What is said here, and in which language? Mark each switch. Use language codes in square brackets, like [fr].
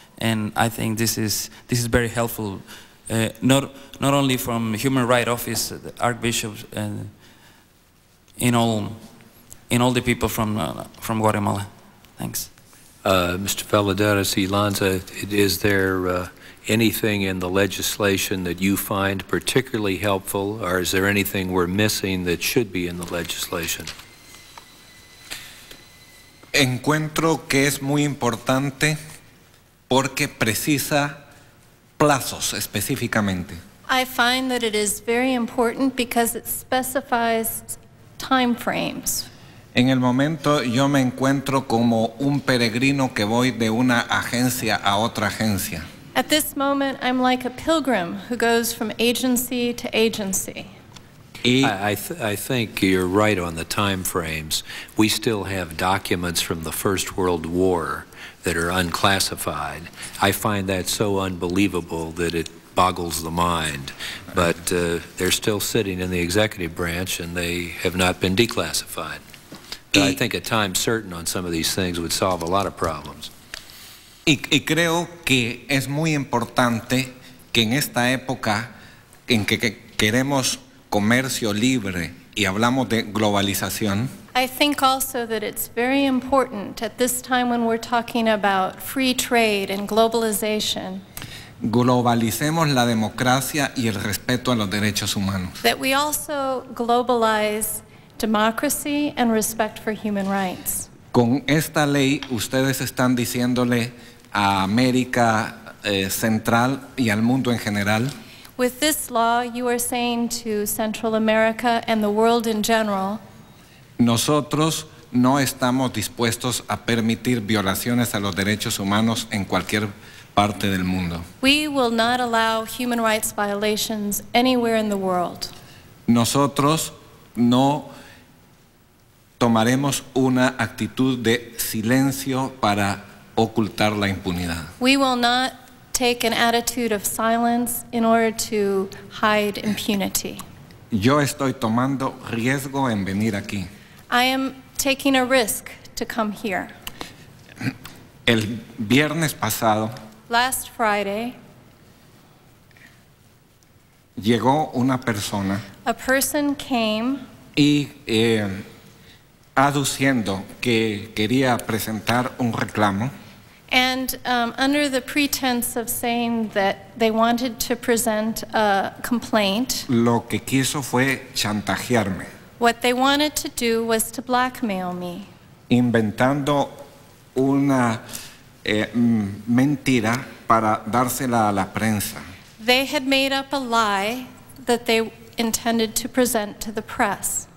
[en] And I think this is very helpful, not only from Human Rights Office, the Archbishop, and in all the people from Guatemala. Thanks. Mr. Valadares y Lanza, is there anything in the legislation that you find particularly helpful, or is there anything we're missing that should be in the legislation? [es] Encuentro que es muy importante porque precisa plazos específicamente. [en] I find that it is very important because it specifies time frames. [es] En el momento yo me encuentro como un peregrino que voy de una agencia a otra agencia. [en] At this moment, I'm like a pilgrim who goes from agency to agency. I think you're right on the time frames. We still have documents from the First World War that are unclassified. I find that so unbelievable that it boggles the mind. But they're still sitting in the executive branch, and they have not been declassified. But I think a time certain on some of these things would solve a lot of problems. [es] Y creo que es muy importante que en esta época en que queremos comercio libre y hablamos de globalización. [en] I think also that it's very important at this time when we're talking about free trade and globalization. [es] Globalicemos la democracia y el respeto a los derechos humanos. [en] That we also globalize democracy and respect for human rights. [es] Con esta ley ustedes están diciéndole a América Central y al mundo en general. [en] With this law, you are saying to Central America and the world in general. [es] Nosotros no estamos dispuestos a permitir violaciones a los derechos humanos en cualquier parte del mundo. [en] We will not allow human rights violations anywhere in the world. [es] Nosotros no tomaremos una actitud de silencio para ocultar la impunidad. [en] We will not take an attitude of silence in order to hide impunity. [es] Yo estoy tomando riesgo en venir aquí. [en] I am taking a risk to come here. [es] El viernes pasado, [en] last Friday, [es] llegó una persona. [en] A person came. [es] Y aduciendo que quería presentar un reclamo. [en] And under the pretense of saying that they wanted to present a complaint, [es] lo que quiso fue chantajearme. [en] What they wanted to do was to blackmail me. [es] Inventando una mentira para dársela a la prensa. [en] They had made up a lie that they intended to present to the press.